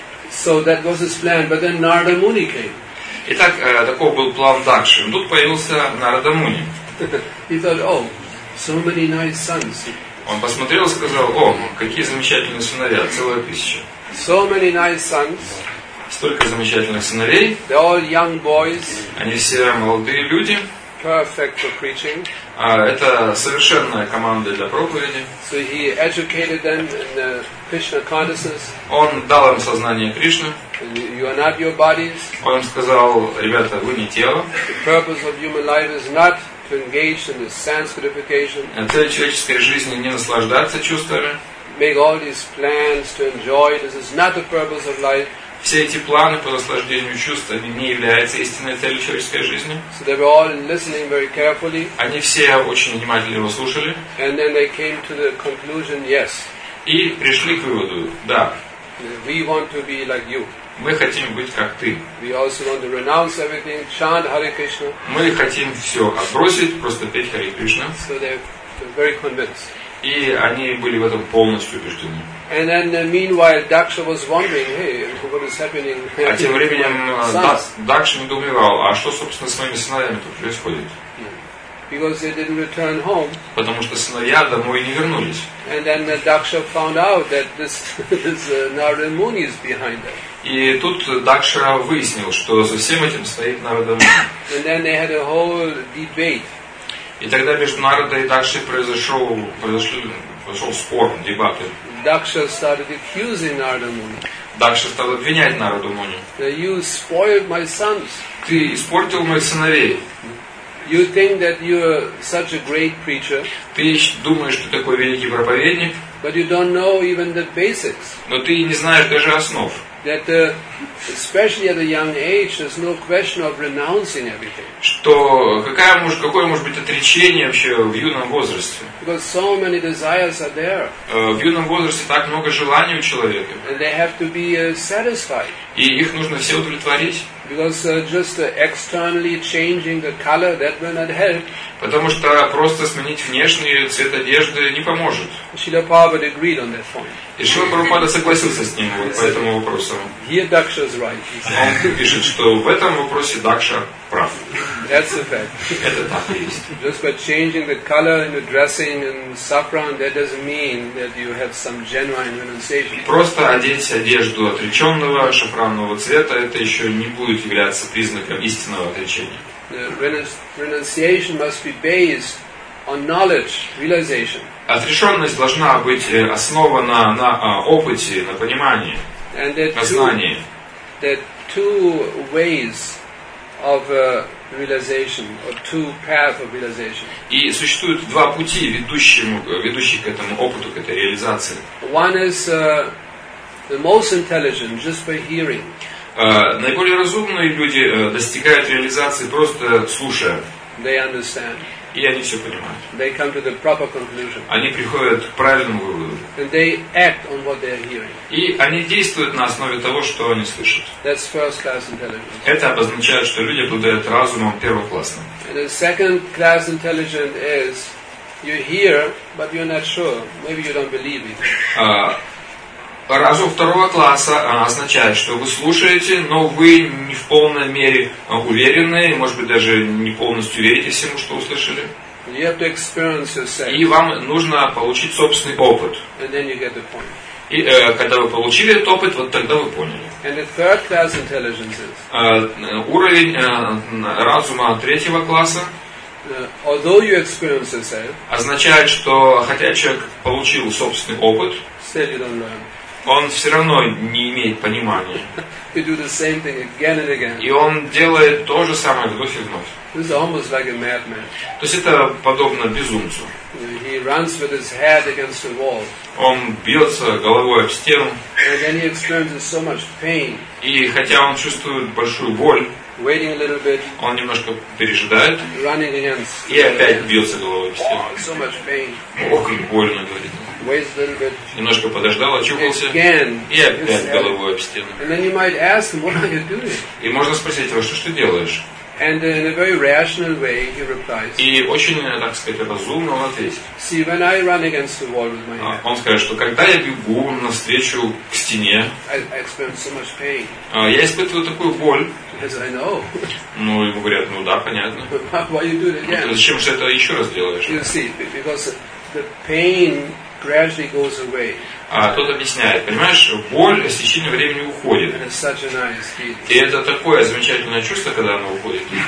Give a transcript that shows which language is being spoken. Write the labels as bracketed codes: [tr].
[en] So that was his plan, but then Narada Muni came. [ru] Итак, такой был план Дакши. Тут появился Нарада Муни. [en] He thought, oh, so many nice sons. [ru] Он посмотрел и сказал, о, какие замечательные сыновья, целая тысяча. [en] So many nice sons. [ru] Столько замечательных сыновей. [en] They're all young boys. [ru] Они все молодые люди. [en] Perfect for preaching. [ru] Это совершенная команда для проповеди. [en] So he educated them in the Krishna consciousness. [ru] Он дал им сознание Кришны. [en] You are not your bodies. [ru] Он им сказал, ребята, вы не тело. [en] The purpose of human life is not to engage in the sense gratification. [ru] Цель человеческой жизни не наслаждаться чувствами. [en] Make all these plans to enjoy. This is not the purpose of life. [ru] Все эти планы по наслаждению чувствами не являются истинной целью человеческой жизни. [en] So they were all listening very carefully. [ru] Они все очень внимательно его слушали. [en] And then they came to the conclusion, yes. [ru] И пришли к выводу, да. [en] We want to be like you. [ru] Мы хотим быть как ты. [en] We also want to renounce everything, chant Hare Krishna. [ru] Мы хотим все отбросить, просто петь Hare Krishna. [en] So they're very convinced. [ru] И они были в этом полностью убеждены. [en] And then, meanwhile, Daksha was wondering, hey, what is happening? [ru] А тем временем Дакша недоумевал, а что, собственно, с моими сыновьями тут происходит? [en] Because they didn't return home. [ru] Потому что сыновья домой не вернулись. [en] And then Дакша found out that this Narada Muni is behind them. [ru] И тут Дакша выяснил, что за всем этим стоит Нарада Муни. [en] And then they had a whole debate. [ru] И тогда между Нарадой и Дакшей произошел спор, дебаты. [en] Дакша started accusing Narada Muni. [ru] Дакша стал обвинять Нараду Муни. [en] You spoiled my sons. [ru] Ты испортил моих сыновей. [en] You think that you are such a great preacher. [ru] Ты думаешь, что такой великий проповедник. [en] But you don't know even the basics. [ru] Но ты не знаешь даже основ. [en] That especially at a young age, there's no question of renouncing everything. [ru] Что какое может быть отречение вообще в юном возрасте? [en] Because so many desires are there. [ru] В юном возрасте так много желаний у человека. [en] And they have to be satisfied. [ru] И их нужно все удовлетворить. [en] Because just externally changing the color, that will not help. [ru] Потому что просто сменить внешний цвет одежды не поможет. [en] Шрила Прабхупада agreed on that point. [ru] И Шрила Прабхупада согласился с ним по этому вопросу. [en] Here Daksha is right. [ru] Он пишет, что в этом вопросе Дакша прав. [en] That's a fact. [ru] Это так и есть. [en] Just by changing the color in the dressing and saffron, that doesn't mean that you have some genuine renunciation. [ru] Просто одеть одежду отреченного шафранного цвета, это еще не будет являться признаком истинного отречения. [en] Renunciation must be based on knowledge, realization. [ru] Отрешенность должна быть основана на опыте, на понимании, на знании. [en] There are two ways of realization, or two paths of realization. [ru] И существуют два пути, ведущие к этому опыту, к этой реализации. [en] One is the most intelligent, just by hearing. [ru] Наиболее разумные люди достигают реализации, просто слушая. [en] They understand. [ru] И они все понимают. [en] They come to the proper conclusion. [ru] Они приходят к правильному выводу. [en] And they act on what they are hearing. [ru] И они действуют на основе того, что они слышат. [en] That's first class intelligence. [ru] Это обозначает, что люди обладают разумом первоклассным. [en] And the second class intelligence is you hear, but you're not sure. Maybe you don't believe it. [ru] Разум второго класса означает, что вы слушаете, но вы не в полной мере уверены, может быть, даже не полностью верите всему, что услышали. [en] You have to experience yourself. [ru] И вам нужно получить собственный опыт. [en] And then you get the point. [ru] И когда вы получили этот опыт, вот тогда вы поняли. [en] And the third class intelligence is... [ru] Уровень разума третьего класса [en] although you experience yourself, [ru] означает, что хотя человек получил собственный опыт, [en] still you don't learn. [ru] Он все равно не имеет понимания. [en] You do the same thing again and again. [ru] И он делает то же самое вновь и вновь. [en] This is almost like a madman. [ru] То есть это подобно безумцу. [en] He runs with his head against the wall. [ru] Он бьется головой об стену. [en] And then he experiences so much pain. [ru] И хотя он чувствует большую боль, [en] waiting a little bit, [ru] он немножко пережидает. [en] Running against [ru] и опять бьется головой об стену. [en] Oh, so much pain. [ru] Ох, как больно, говорит. [en] Waits a little bit. [ru] Немножко подождал, очухался. [en] Again, [ru] и опять головой об стену. [en] And then you might ask him, what are you doing? [ru] И можно спросить его, что ж ты делаешь? [en] And in a very rational way he replies. [ru] И очень, так сказать, разумно он ответит. [en] See, when I run against the wall with my head. [ru] Он скажет, что когда я бегу навстречу к стене, [en] I experience so much pain. [ru] Я испытываю такую боль. [en] As I know. [ru] Ну, ему говорят, ну да, понятно. [en] Why you do it again? [ru] Ну, зачем же это еще раз делаешь? [en] You see, because the pain gradually goes away. [ru] А тот объясняет, понимаешь, боль с течением времени уходит. [en] And it's such a nice feeling. [ru] И это такое замечательное чувство, когда оно уходит.